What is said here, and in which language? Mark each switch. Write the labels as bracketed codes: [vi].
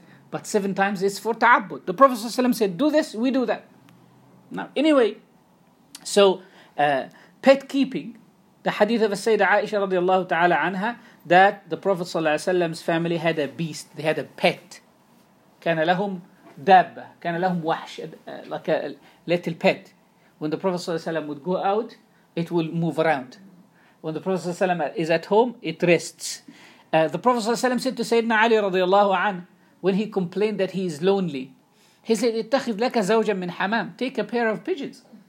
[en] But seven times is for ta'abbud. The Prophet ﷺ said, do this, we do that. Now, anyway, so pet keeping, the hadith of Sayyidah Aisha radiallahu ta'ala anha, that the Prophet ﷺ's family had a beast, they had a pet. [ar] كان لهم دابة, كان لهم وحش, [en] like a little pet. When the Prophet ﷺ would go out, it will move around. When the Prophet ﷺ is at home, it rests. The Prophet ﷺ said to Sayyidina Ali radiallahu anhu, when he complained that he is lonely, he said, [ar] اتخذ لك زوجا من حمام, [en] take a pair of pigeons.